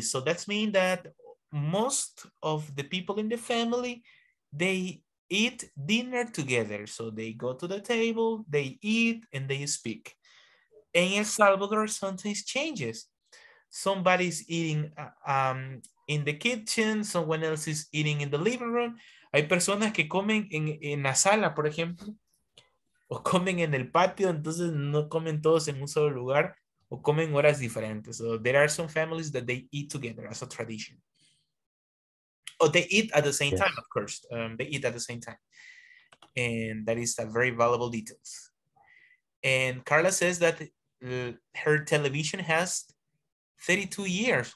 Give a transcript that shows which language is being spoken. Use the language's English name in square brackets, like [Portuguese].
[English] So that means that most of the people in the family, they eat dinner together. So they go to the table, they eat, and they speak. In El Salvador, sometimes changes. Somebody's eating in the kitchen, someone else is eating in the living room. [Spanish] Hay personas que comen en la sala, por ejemplo, o comen en el patio, entonces no comen todos en un solo lugar. O comen horas diferentes. [English] So there are some families that they eat together as a tradition. Or they eat at the same time, of course. They eat at the same time. And that is a very valuable detail. And Carla says that her television has 32 years.